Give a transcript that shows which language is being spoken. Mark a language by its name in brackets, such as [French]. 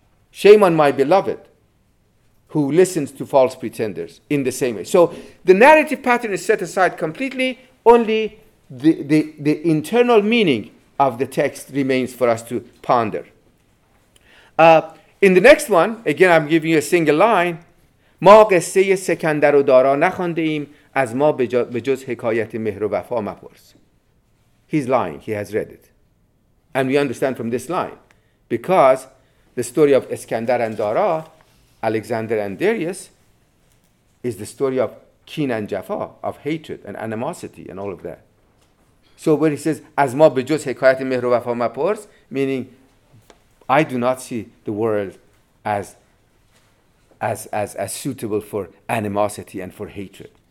[English] Shame on my beloved who listens to false pretenders in the same way. So the narrative pattern is set aside completely. Only the internal meaning of the text remains for us to ponder. In the next one, again, I'm giving you a single line. [Persian] ما قصه سکندر و دارا نخوانده ایم از ما به جز حکایت مهر و وفا مپرس. [English] He's lying. He has read it. And we understand from this line, because the story of Iskandar and Dara, Alexander and Darius, is the story of Kin and Jaffa, of hatred and animosity and all of that. So where he says, [Persian] "As ma bejuz hekayat mehr o vafa mapors," [English] meaning, I do not see the world as suitable for animosity and for hatred.